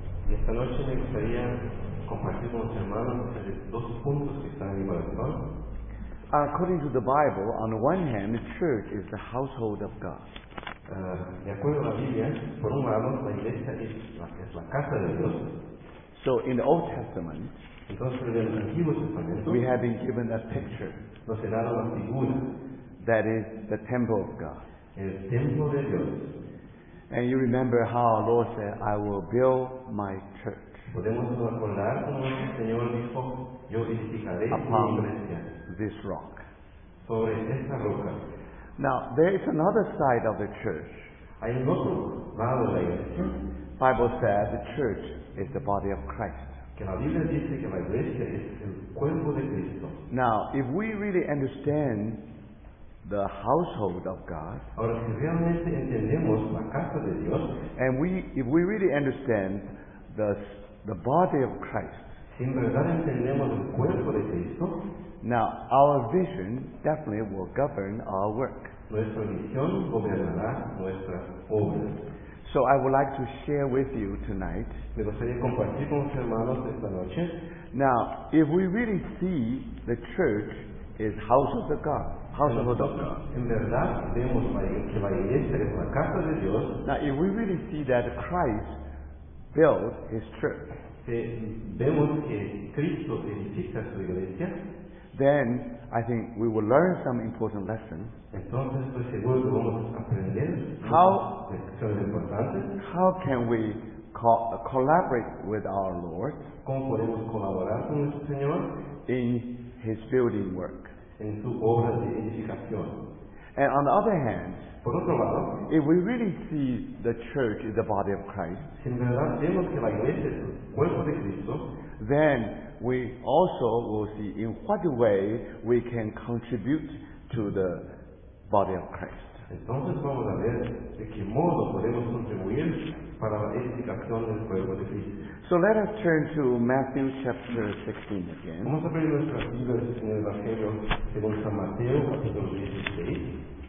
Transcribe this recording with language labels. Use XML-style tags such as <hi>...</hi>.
<es>Y esta noche me gustaría compartir con los hermanos dos puntos que están en mi corazón.</es> <en>According to the Bible, on one hand, the church is the household of God.</en> <es>De acuerdo a la Biblia, por un lado, la iglesia es la casa de Dios.</es> <en>So in the Old Testament,</en> <es>entonces, en el Antiguo Testamento,</es> <en>we have been given a picture.</en> <es>Nos he dado una figura.</es> <en>That is the temple of God.</en> <es>El templo de Dios.</es> <en>And you remember how our Lord said, I will build my church.</en> <es>Podemos recordar como el Señor dijo, yo edificaré</es> <en>upon</en> <es>mi iglesia.</es> <en>This rock.</en> <es>Sobre esta roca.</es> <en>Now, there is another side of the church.</en> <es>Hay un otro lado de la iglesia.</es> <en>Bible said the church is the body of Christ.</en> <es>Que la Biblia dice que la iglesia es el cuerpo de Cristo.</es> <en>Now, if we really understand the household of God,</en> <es>ahora, si realmente entendemos la casa de Dios,</es> <en>and if we really understand the body of Christ,</en> <es>si en verdad entendemos el cuerpo de Cristo,</es> <en>now our vision definitely will govern our work.</en> <es>Nuestra visión gobernará nuestras obras.</es> <en>So I would like to share with you tonight.</en> <es>Me gustaría compartir con los hermanos esta noche.</es> <en>Now, if we really see the church is house of the God, house of the God.</en> <es>En verdad vemos que la iglesia es la casa de Dios.</es> <en>Now, if we really see that Christ built His church,</en> <es>vemos que Cristo edifica su iglesia.</es> <en>Then I think we will learn some important lessons.</en> <es>Entonces, estoy seguro que vamos a aprender lecciones importantes.</es> <en>How can we collaborate with our Lord?</en> <es>¿Cómo podemos colaborar con nuestro Señor?</es> <en>In His building work.</en> <es>En su obra de edificación.</es> <en>And on the other hand,</en> <es>por otro lado,</es> <en>if we really see the church is the body of Christ,</en> <es>si en verdad vemos que la iglesia es el cuerpo de Cristo,</es> <en>then we also will see in what way we can contribute to the body of Christ.</en> <es>Entonces vamos a ver de qué modo podemos contribuir para la edificación del cuerpo de Cristo.</es> <en>So let us turn to Matthew chapter 16 again.</en> <es>Vamos a ver nuestras Biblias en el Evangelio según San Mateo, capítulo 16.</es>